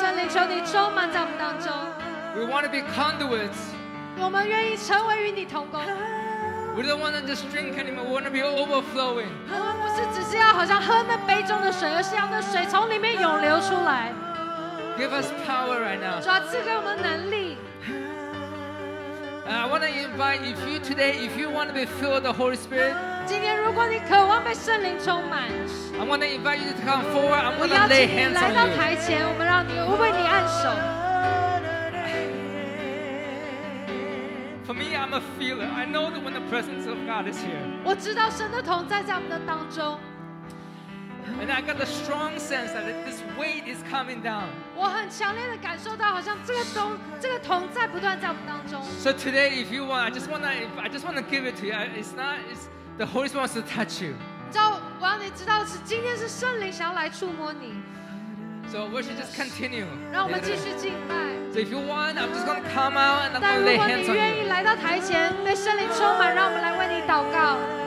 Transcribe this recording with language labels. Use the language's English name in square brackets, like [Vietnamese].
[Chinese] 圣灵求你充满在我们当中。 [English] We want to be conduits. [Chinese] 我们愿意成为与你同工。 [English] We don't want to just drink anymore. We want to be overflowing. [Chinese] 我们不是只是要好像喝那杯中的水，而是要那水从里面涌流出来。 [English] Give us power right now. [Chinese] 主啊，赐给我们能力。 [English] I want to invite if you today, if you want to be filled with the Holy Spirit, [Chinese] 今天如果你渴望被圣灵充满, [English] I want to invite you to come forward. I'm going to lay hands on you. [Chinese] 我邀请你来到台前, 我们让你, 我为你按手。 [English] For me, I'm a feeler. I know that when the presence of God is here. [Chinese] 我知道神的同在在我们的当中。 [English] And I got the strong sense that this weight is coming down. [Chinese] 我很强烈的感受到，好像这个同在不断在我们当中。 [English] So today, if you want, I just wanna give it to you. It's not. It's the Holy Spirit wants to touch you. [Chinese] 知道，我要你知道是今天是圣灵想要来触摸你。 [English] So we should just continue. [Chinese] 让我们继续敬拜。 [English] So if you want, I'm just gonna come out and I'm gonna lay hands on you. [Chinese] 但如果你愿意来到台前，被圣灵充满，让我们来为你祷告。